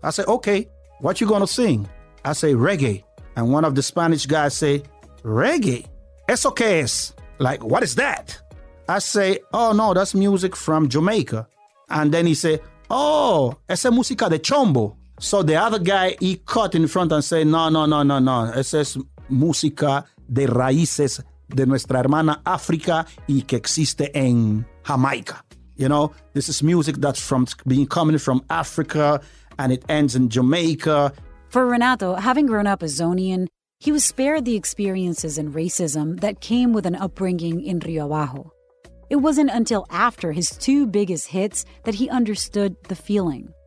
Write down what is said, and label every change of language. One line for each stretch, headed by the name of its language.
English: I say, okay, what you going to sing? I say, reggae. And one of the Spanish guys say, reggae?
Spanish: Eso que es?
English: Like, what is that? I say, oh, no, that's music from Jamaica. And then he say, oh,
Spanish: esa música de chombo.
English: So the other guy, he cut in front and say, no. It says
Spanish: música de raíces de nuestra hermana África y que existe en Jamaica.
English: You know, this is music that's from being coming from Africa and it ends in Jamaica. For Renato, having grown up a Zonian, he was spared the experiences and racism that came with an upbringing in Rio Bajo. It wasn't until after his two biggest hits that he understood the feeling.